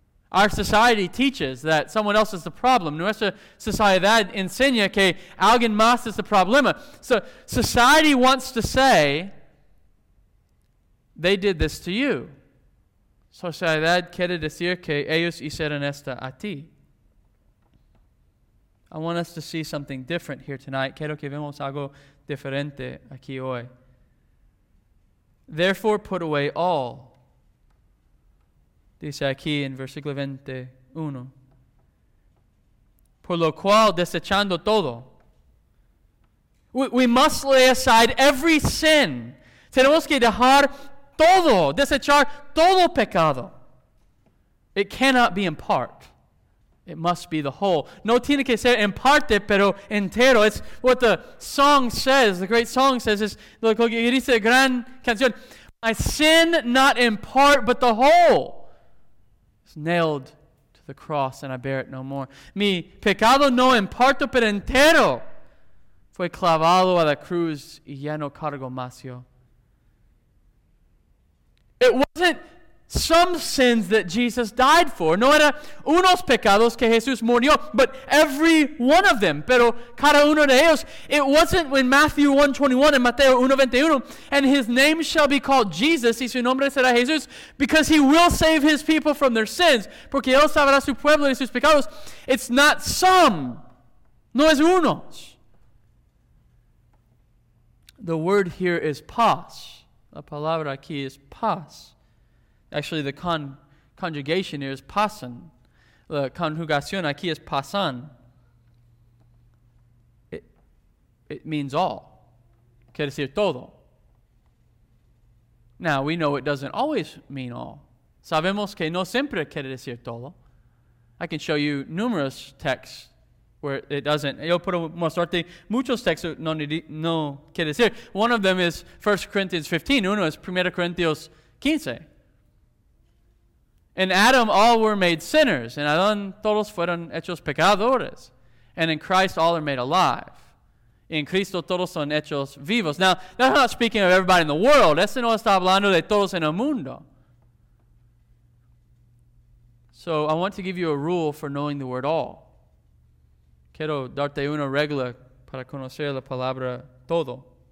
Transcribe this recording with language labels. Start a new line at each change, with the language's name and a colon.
English: Our society teaches that someone else is the problem.
Spanish: Nuestra sociedad enseña que alguien más es el problema.
English: So society wants to say, they did this to you.
Spanish: Sociedad quiere decir que ellos hicieron esto a ti.
English: I want us to see something different here tonight.
Spanish: Quiero que vemos algo diferente aquí hoy.
English: Therefore, put away all.
Spanish: Dice aquí en versículo 21. Por lo cual, desechando todo.
English: We must lay aside every sin.
Spanish: Tenemos que dejar todo, desechar todo pecado.
English: It cannot be in part. It must be the whole.
Spanish: No tiene que ser en parte, pero entero.
English: It's what the song says, the great song says.
Spanish: Es lo que dice la gran canción.
English: My sin, not in part, but the whole. Nailed to the cross, and I bear it no more.
Spanish: Mi pecado no en parte, pero entero. Fue clavado a la cruz y ya no cargo más yo.
English: It wasn't some sins that Jesus died for.
Spanish: No era unos pecados que Jesús murió,
English: but every one of them.
Spanish: Pero cada uno de ellos.
English: It wasn't when Matthew 1:21 and Mateo 1:21, and his name shall be called Jesus,
Spanish: y su nombre será Jesús,
English: because he will save his people from their sins.
Spanish: Porque él salvará su pueblo y sus pecados.
English: It's not some.
Spanish: No es unos.
English: The word here is pas.
Spanish: La palabra aquí es pas.
English: Actually, the conjugation here is pasan. The
Spanish: conjugación aquí es pasan.
English: It means all.
Spanish: Quiere decir todo.
English: Now, we know it doesn't always mean all.
Spanish: Sabemos que no siempre quiere decir todo.
English: I can show you numerous texts where it doesn't.
Spanish: Yo puedo mostrarte muchos textos no quiere decir.
English: One of them is 1 Corinthians 15.
Spanish: Uno es
English: 1 Corinthians 15. In Adam, all were made sinners.
Spanish: En Adán, todos fueron hechos pecadores.
English: And in Christ, all are made alive.
Spanish: En Cristo todos son hechos vivos.
English: Now, that's not speaking of everybody in the world.
Spanish: Eso no está hablando de todos en el mundo.
English: So, I want to give you a rule for knowing the word all.
Spanish: Quiero darte una regla para conocer la palabra todo.